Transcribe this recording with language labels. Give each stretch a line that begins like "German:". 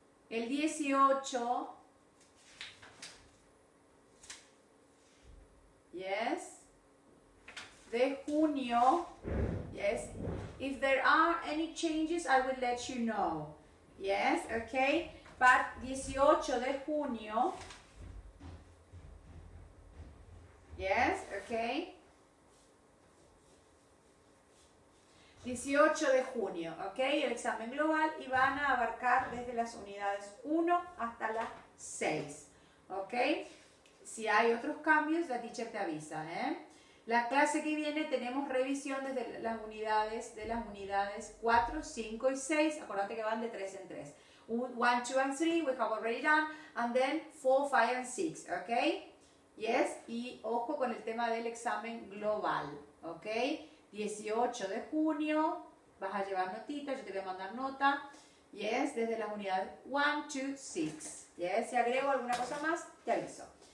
Spanish: El 18, yes, de junio, yes.
English: If there are any changes, I will let you know, yes, okay.
Spanish: But 18 de junio, yes, okay, 18 de junio, okay, el examen global y van a abarcar desde las unidades 1 hasta las 6, okay, si hay otros cambios la teacher te avisa, La clase que viene tenemos revisión desde las unidades, 4, 5 y 6, acuérdate que van de 3 en 3.
English: 1, 2, and 3, we have already done, and then 4, 5, and 6, okay?
Spanish: Yes, y ojo con el tema del examen global, okay? 18 de junio, vas a llevar notita, yo te voy a mandar nota, Yes, desde las unidades 1, 2, 6. Yes, si agrego alguna cosa más, te aviso.